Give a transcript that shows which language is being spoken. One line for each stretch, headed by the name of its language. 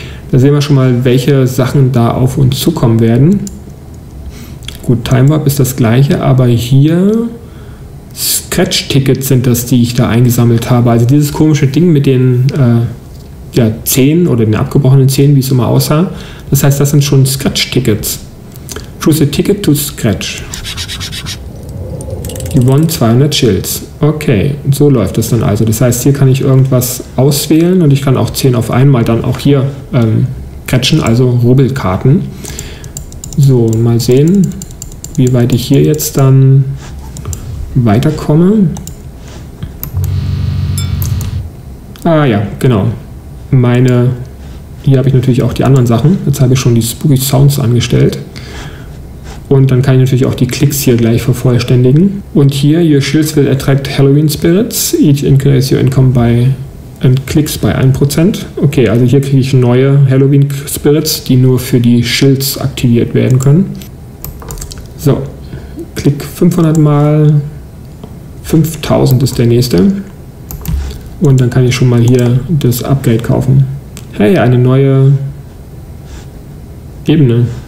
German: Da sehen wir schon mal, welche Sachen da auf uns zukommen werden. Gut, Time Warp ist das gleiche, aber hier Scratch-Tickets sind das, die ich da eingesammelt habe. Also dieses komische Ding mit den Zehen oder den abgebrochenen Zehen, wie es immer aussah. Das heißt, das sind schon Scratch-Tickets.
English: Choose a ticket to scratch. You won 200 Shills.
German: Okay, so läuft das dann also. Das heißt, hier kann ich irgendwas auswählen und ich kann auch 10 auf einmal dann auch hier scratchen, also Rubbelkarten. So, mal sehen, wie weit ich hier jetzt dann weiterkomme. Ah ja, genau. Meine, hier habe ich natürlich auch die anderen Sachen. Jetzt habe ich schon die Spooky Sounds angestellt. Und dann kann ich natürlich auch die Klicks hier gleich vervollständigen. Und hier,
English: your shields will attract Halloween Spirits. Each increase your income by and clicks by 1%.
German: Okay, also hier kriege ich neue Halloween Spirits, die nur für die Shields aktiviert werden können. So, klick 500 mal. 5000 ist der nächste. Und dann kann ich schon mal hier das Upgrade kaufen. Hey, eine neue Ebene.